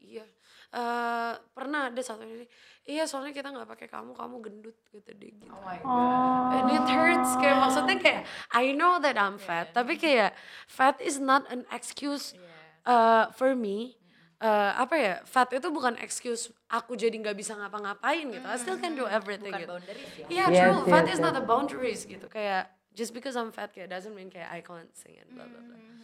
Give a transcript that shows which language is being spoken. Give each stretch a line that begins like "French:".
Indonesian: Iya, pernah ada satu ini, iya soalnya kita gak pakai kamu gendut gitu deh gitu.
English: Oh my god. And it hurts,
Indonesian: kayak maksudnya kayak,
English: I know that I'm fat,
Indonesian: tapi kayak
English: fat is not an excuse for me.
Indonesian: Apa ya, fat itu bukan excuse aku jadi gak bisa ngapa-ngapain gitu.
English: I still can do everything.
Indonesian: Bukan gitu. Boundaries ya.
English: Iya, yeah, true, yes, fat is not the boundaries gitu. Kayak, just because I'm fat kayak doesn't mean kayak I can't sing and blah blah blah.